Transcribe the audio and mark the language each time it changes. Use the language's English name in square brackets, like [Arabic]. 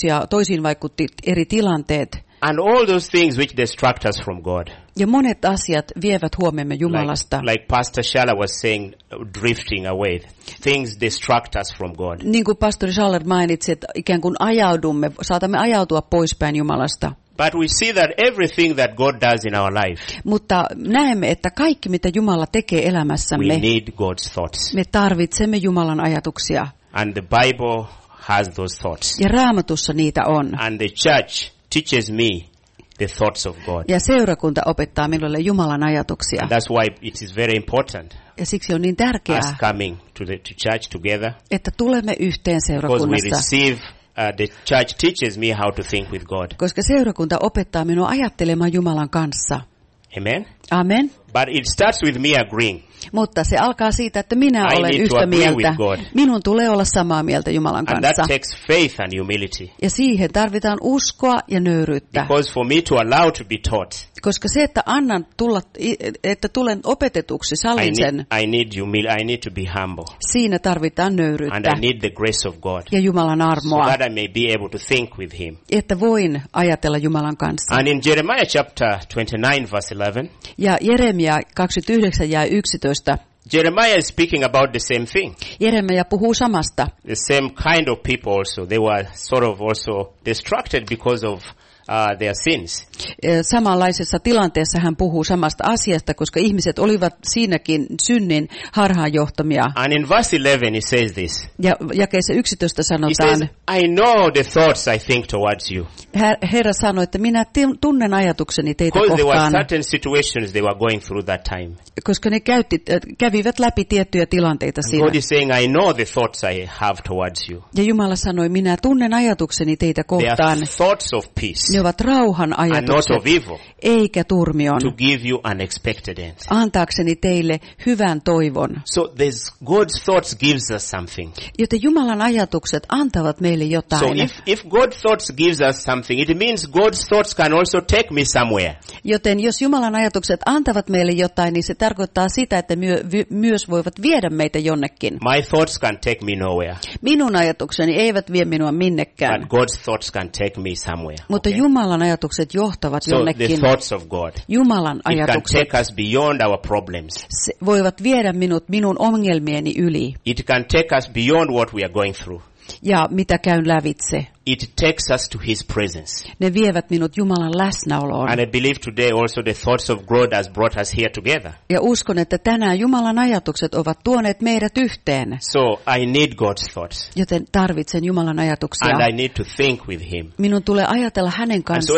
[Finnish] Toisiin vaikutti eri tilanteet. [English] And all those things which distract us from God. [Finnish] Ja monet asiat vievät huomiomme Jumalasta. [English] Like Pastor Schaller was saying, drifting away. Things distract us from God. [Finnish] Niin kuin Pastori Schaller mainitsi, että ikään kuin ajaudumme, saatamme ajautua poispäin Jumalasta. [English] But we see that everything that God does in our life. [Finnish] Mutta näemme, että kaikki mitä Jumala tekee elämässämme. [English] We need God's thoughts. [Finnish] Me tarvitsemme Jumalan ajatuksia. [English] And the Bible has those thoughts. [Finnish] Ja Raamatussa niitä on. [English] And the church teaches me the thoughts of God. [Finnish] Ja seurakunta opettaa minulle Jumalan ajatuksia. [English] And that's why it is very important. [Finnish] Ja siksi on niin tärkeää. [English] Us coming to church together. [Finnish] Että tulemme yhteen seurakunnassa. [English] Because we receive the church teaches me how to think with God. [Finnish] Koska seurakunta opettaa minua ajattelemaan Jumalan kanssa. Amen. Amen. [English] But it starts with me agreeing. [Finnish] Mutta se alkaa siitä, että minä [English] I [Finnish] olen yhtä mieltä. [English] With God. [Finnish] Minun tulee olla samaa mieltä Jumalan kanssa. [English] And that takes faith and humility. [Finnish] Ja siihen tarvitaan uskoa ja nöyryyttä. [English] Because for me to allow to be taught. [Finnish] Koska se, että annan tulla, että tulen opetetuksi, sallin sen. [English] I need to be humble. [Finnish] Siinä tarvitaan nöyryyttä. [English] And I need the grace of God. [Finnish] Ja Jumalan armoa. [English] So that I may be able to think with him. [Finnish] Että voin ajatella Jumalan kanssa. [English] And in Jeremiah chapter 29 verse 11. [Finnish] Ja Jeremia 29 jae 11. [English] Jeremiah is speaking about the same thing. Jeremia puhuu samasta. The same kind of people also. They were sort of also distracted because of their sins. [Finnish] Samanlaisessa tilanteessa hän puhuu samasta asiasta, koska ihmiset olivat siinäkin synnin harhaanjohtamia. [English] And in verse 11 he says this. [Finnish] Ja jakeessa 11 sanotaan. [English] He says, I know the thoughts I think towards you. [Finnish] Herra sanoi, että minä tunnen ajatukseni teitä kohtaan. [English] Because there were certain situations they were going through that time. [Finnish] Koska ne kävivät läpi tiettyjä tilanteita siinä. [English] God is saying, I know the thoughts I have towards you. [Finnish] Ja Jumala sanoi, minä tunnen ajatukseni teitä kohtaan. [English] They are thoughts of peace. [Finnish] Ne ovat rauhan ajatukset, eikä turmion, [English] to give you unexpected end. [Finnish] Antaakseni teille hyvän toivon. [English] So God's thoughts gives us something. [Finnish] Joten Jumalan ajatukset antavat meille meille jotain. [English] So if God's thoughts gives us something, it means God's thoughts can also take me somewhere. [Finnish] Joten jos Jumalan ajatukset antavat meille jotain, niin se tarkoittaa sitä, että myös voivat viedä meitä jonnekin. [English] My thoughts can take me nowhere. [Finnish] Minun ajatukseni eivät vie minua minnekään. [English] But God's thoughts can take me somewhere. [Finnish] Mutta okay. Jumalan ajatukset johtavat [English] so [Finnish] jonnekin. [English] The thoughts of God. [Finnish] Jumalan [English] it [Finnish] ajatukset [English] can take us beyond our problems. [Finnish] Voivat viedä minun ongelmieni yli. [English] It can take us beyond what we are going through. [Finnish] Ja mitä käyn lävitse. [English] It takes us to his presence. [Finnish] Ne vievät minut Jumalan läsnäoloon. [English] And I believe today also the thoughts of God has brought us here together. [Finnish] Ja uskon, että tänään Jumalan ajatukset ovat tuoneet meidät yhteen. [English] So I need God's thoughts. [Finnish] Joten tarvitsen Jumalan ajatuksia. [English] And I need to think with him. [Finnish] Minun tulee ajatella hänen kanssaan.